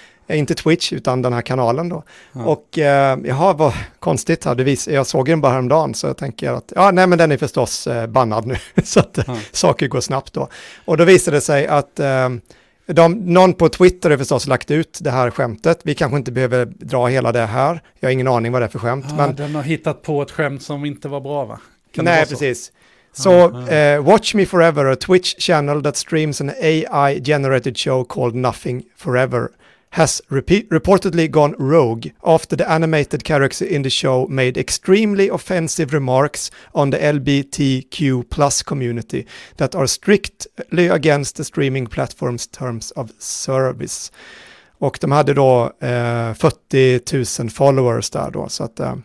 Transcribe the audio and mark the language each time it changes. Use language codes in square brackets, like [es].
[sv] Inte Twitch, utan den här kanalen då. Ja. Och jaha, vad konstigt här, jag såg den bara häromdagen, så jag tänker att, ja nej men den är förstås bannad nu, så att saker går snabbt då. Och då visade det sig att någon på Twitter har förstås lagt ut det här skämtet. Vi kanske inte behöver dra hela det här. Jag har ingen aning vad det är för skämt. Ja, men den har hittat på ett skämt som inte var bra, va? Kan nej, det vara precis. Så [en] Watch Me Forever, a Twitch channel that streams an AI-generated show called Nothing Forever, has reportedly gone rogue after the animated character in the show made extremely offensive remarks on the LGBTQ plus community that are strictly against the streaming platform's terms of service. [sv] Och de hade då 40 000 followers där då, så att